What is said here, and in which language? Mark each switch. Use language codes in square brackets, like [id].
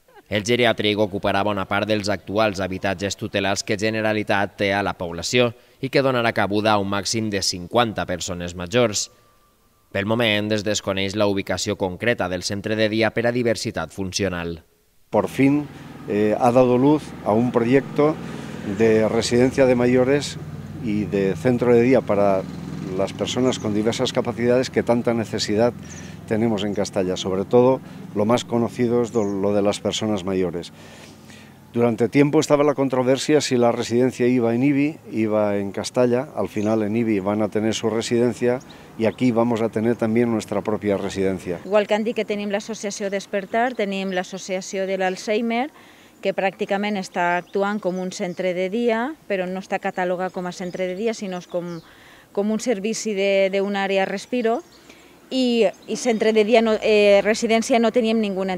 [ca] El geriàtric ocuparà bona part dels actuals habitatges tutelars que Generalitat té a la població i que donarà cabuda a un màxim de 50 persones majors. Pel moment es desconeix la ubicació concreta del centre de dia per a diversitat funcional. [es] Por fin ha dado luz a un proyecto de residencia de mayores y de centro de día para las personas con diversas capacidades que tanta necesidad tenemos en Castalla, sobre todo lo más conocido es lo de las personas mayores. Durante tiempo estaba la controversia si la residencia iba en IBI, iba en Castalla, al final en IBI van a tener su residencia y aquí vamos a tener también nuestra propia residencia. [ca] Igual que han dit que tenim l'associació Despertar, tenim l'associació de l'Alzheimer, que pràcticament està actuant com un centre de dia, però no està catalogat com a centre de dia, sinó com un servici d'una àrea respiro, i centre de dia, residència, no teníem ninguna.